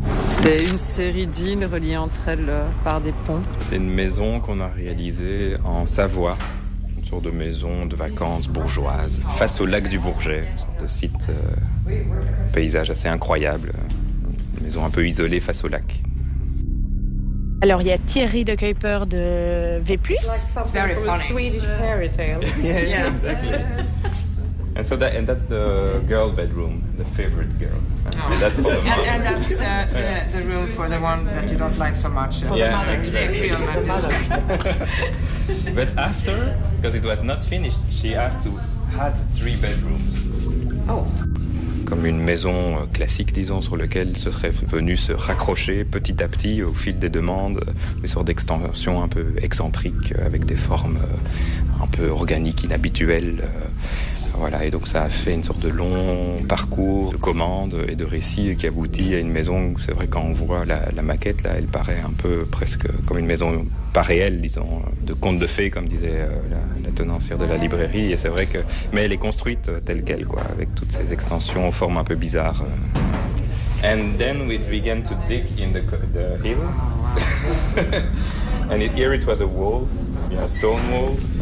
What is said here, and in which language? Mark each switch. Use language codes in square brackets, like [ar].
[fr] C'est une série d'îles reliées entre elles par des ponts. C'est une maison qu'on a réalisée en Savoie, une sorte de maison de vacances bourgeoise, face au lac du Bourget, une sorte de site, paysage assez incroyable, une maison un peu isolée face au lac. Alors, il y a Thierry de Kuiper de V+. [en] It's like something very from funny. A Swedish fairy tale. Yeah, exactly. And so that, and that's the girl bedroom, the favorite girl. Oh. And that's the room for the one that you don't like so much. But after, because it was not finished, she asked to add three bedrooms. Oh. [fr] Comme une maison classique, disons, sur laquelle se serait venu se raccrocher petit à petit au fil des demandes, des sortes d'extensions un peu excentriques, avec des formes un peu organiques, inhabituelles. Voilà, et donc ça a fait une sorte de long parcours de commandes et de récits qui aboutit à une maison. C'est vrai, quand on voit la maquette, là, elle paraît un peu presque comme une maison pas réelle, disons, de conte de fées, comme disait la tenancière de la librairie. Et c'est vrai que... Mais elle est construite telle qu'elle, quoi, avec toutes ces extensions aux formes un peu bizarres. [en] And then we began to dig in the hill. And here it was a wall, yeah, a stone wall.